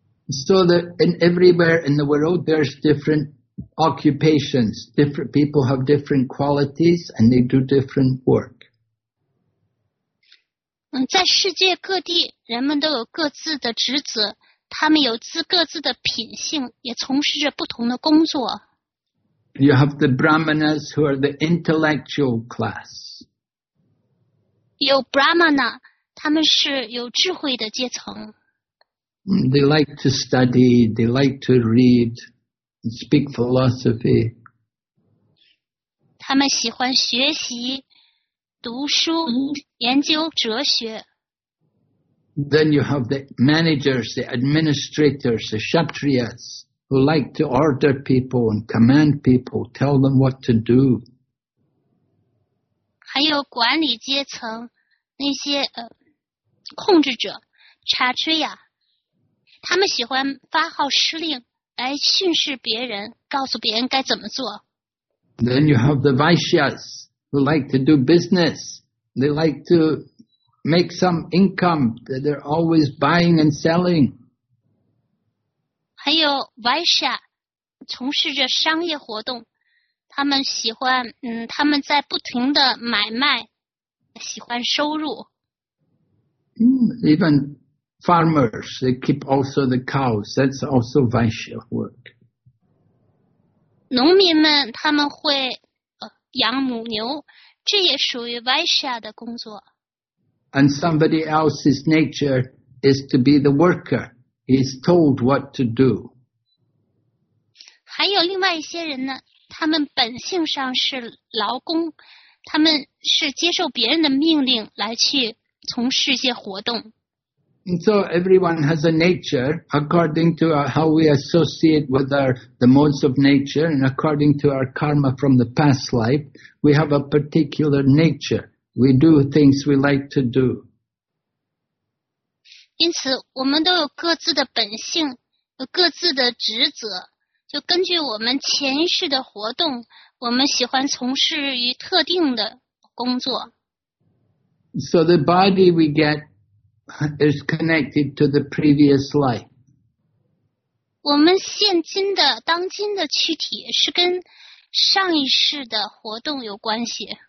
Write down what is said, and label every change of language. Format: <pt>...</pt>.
<en>So that in everywhere in the world, there's different occupations. Different people have different qualities and they do different work.</en> <zh>在世界各地，人们都有各自的职责，他们有各自的品性，也从事着不同的工作。</zh> <en>You have the Brahmanas who are the intellectual class.</en> <zh>有 Brahmana, 他们是有智慧的阶层。</zh> <en>They like to study, they like to read, and speak philosophy.</en> <zh>他们喜欢学习、读书、研究哲学。</zh> <en>Then you have the managers, the administrators, the kshatriyas, who like to order people and command people, tell them what to do.</en> <zh>还有管理阶层，那些控制者、kshatriya。他们喜欢发号施令，来训示别人，告诉别人该怎么做。</zh> <en>Then you have the Vaishyas who like to do business. They like to make some income. They're always buying and selling.</en> <zh>还有 Vaishya 从事着商业活动，他们喜欢他们在不停的买卖，喜欢收入。</zh> <en>Even. Farmers, they keep also the cows. That's also Vaishya work.</en> <zh>农民们他们会养母牛，这也属于 Vaishya 的工作。</zh> <en>And somebody else's nature is to be the worker. He's told what to do.</en> <zh>还有另外一些人呢，他们本性上是劳工，他们是接受别人的命令来去从事一些活动。</zh> <en>And so everyone has a nature according to how we associate with the modes of nature and according to our karma from the past life. We have a particular nature. We do things we like to do.</en> <zh>因此我们都有各自的本性，有各自的职责，就根据我们前世的活动，我们喜欢从事于特定的工作。</zh> <en>So the body we get is connected to the previous life.</en> <zh>我们现今的当今的躯体是跟上一世的活动有关系。</zh>